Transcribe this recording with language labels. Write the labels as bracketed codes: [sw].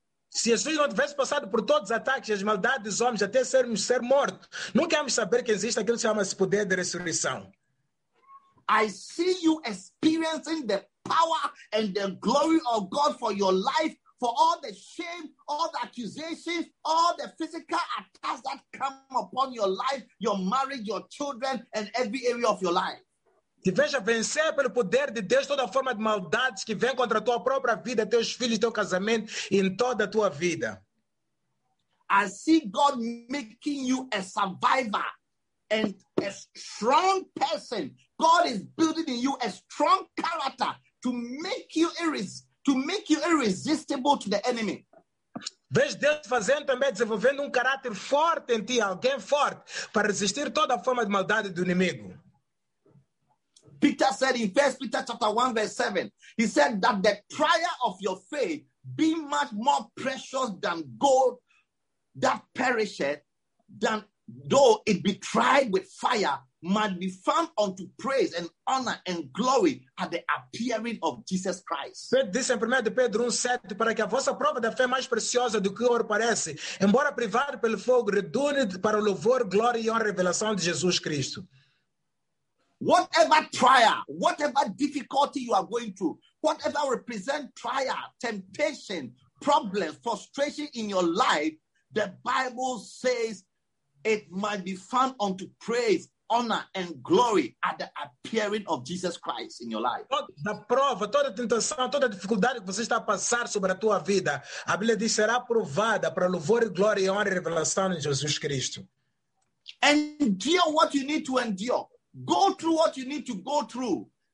[pt] Se Jesus não tivesse passado por todos os ataques e as maldades dos homens até ser morto, nunca íamos saber que existe aquilo que chama-se poder de ressurreição. [en] I see you experiencing the power and the glory of God for your life, for all the shame, all the accusations, all the physical attacks that come upon your life, your marriage, your children, and every area of your life. [pt] Te veja vencer pelo poder de Deus toda forma de maldades que vem contra a tua própria vida, teus filhos, teu casamento, em toda a tua vida. [en] I see God making you a survivor and a strong person. God is building in you a strong character to make you irresistible to the enemy. [pt] Vês Deus fazendo também, desenvolvendo caráter forte em ti, alguém forte, para resistir toda a forma de maldade do inimigo. [en] Peter said in 1 Peter chapter 1, verse 7, he said that the trial of your faith be much more precious than gold that perisheth, than though it be tried with fire, might be found unto praise and honor and glory at the appearing of Jesus Christ. [pt] Pedro disse em 1 Pedro 1:7, para que a vossa prova da fé mais preciosa do que o ouro parece, embora privado pelo fogo, redune para o louvor, glória e honra revelação de Jesus Cristo. [en] Whatever trial, whatever difficulty you are going through, whatever represent trial, temptation, problem, frustration in your life, the Bible says it might be found unto praise, honor and glory at the appearing of Jesus Christ in your life. [pt] Toda prova, toda tentação, toda dificuldade que você está a passar sobre a tua vida, a Bíblia diz será provada para louvor e glória e honra e revelação em Jesus Cristo. [en] Endure what you need to endure. Go through what you need to go through.